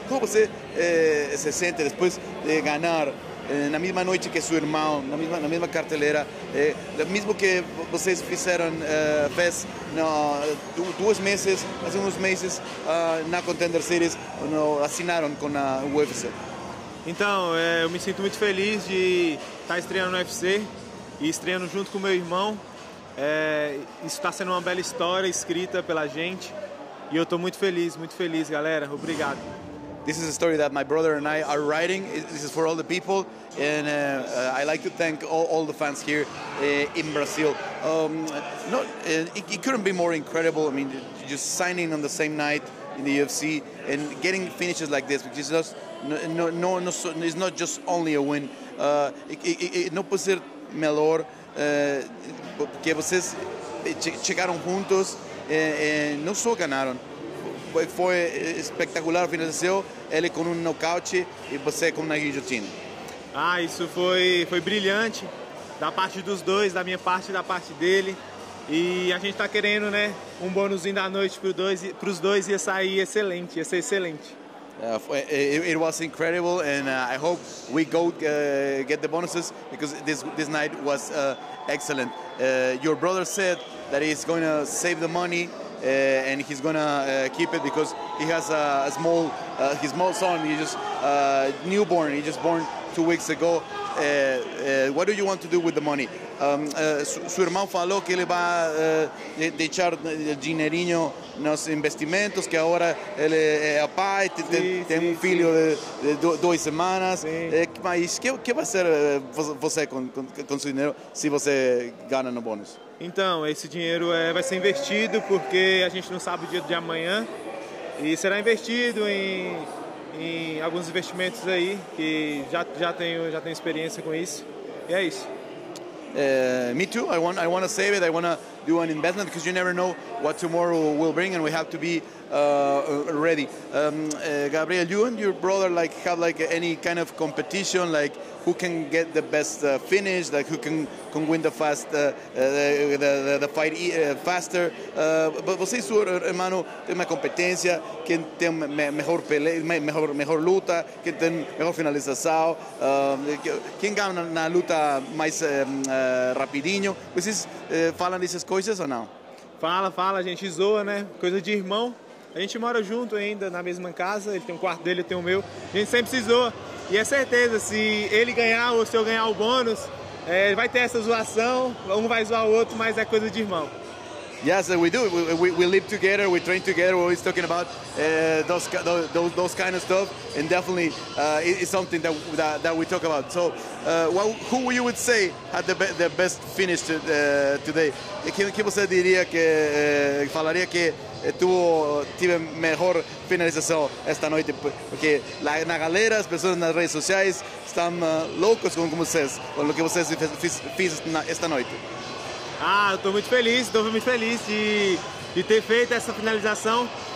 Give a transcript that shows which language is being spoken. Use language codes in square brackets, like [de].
[en] How do you feel after winning on the same night as your brother, in the same cartelera, the same as you did in FES, 2 months, [es] hace unos meses, [pt] na Contender Series, assinaram com a UFC? Então, eu me sinto muito feliz de estar estreando no UFC e estreando junto com meu irmão. Isso está sendo uma bela história escrita pela gente e eu estou muito feliz, galera. Obrigado. [en] This is a story that my brother and I are writing. This is for all the people, and I like to thank all the fans here in Brazil. It couldn't be more incredible. I mean, just signing on the same night in the UFC and getting finishes like this, which is just it's not just only a win. [pt] Não pode ser melhor porque vocês chegaram juntos e não só ganharam. Foi espetacular o final do seu, ele com um nocaute e você com uma guilhotina. Ah, isso foi brilhante da parte dos dois, da minha parte e da parte dele. E a gente está querendo, né, um bônusinho da noite para os dois, ia sair excelente, ia ser excelente. [en] It was incredible, and I hope we go get the bonuses, because this night was excellent. Your brother said that he's going to save the money and he's going to keep it, because he has a small son, he's just newborn, he just born 2 weeks ago. What do you want to do with the money? [pt] Su irmão falou que ele vai deixar dinheirinho nos investimentos, que agora ele é a pai, tem um filho de 2 semanas. Mas que vai ser você com seu dinheiro se você ganha no bônus? Então, esse dinheiro vai ser investido, porque a gente não sabe o dia de amanhã, e será investido em alguns investimentos aí, que já tenho experiência com isso, e é isso. [en] Me too. I want to save it. I want to do an investment, because you never know what tomorrow will bring, and we have to be ready. Gabriel, you and your brother have any kind of competition, like who can get the best finish, like who can win the fight faster. [pt] But você e seu irmão tem uma competência, quem tem melhor pelea, melhor luta, quem tem melhor finalização, quem ganha na luta mais rapidinho. Vocês falam dessas coisas ou não? Fala, a gente zoa, né? Coisa de irmão. A gente mora junto ainda, na mesma casa, ele tem um quarto dele, eu tenho o meu. A gente sempre se zoa. E é certeza, se ele ganhar ou se eu ganhar o bônus, vai ter essa zoação, um vai zoar o outro, mas é coisa de irmão. [en] Yes, we do. We live together, we train together, we're always talking about those kind of stuff, and definitely it's something that we talk about. So, who you would say had the best finish today? [pt] Quem você diria que falaria que tive melhor finalização esta noite? Porque na galera, as pessoas nas redes sociais estão loucos com vocês, com o que vocês fizeram esta noite. Ah, eu estou muito feliz de ter feito essa finalização.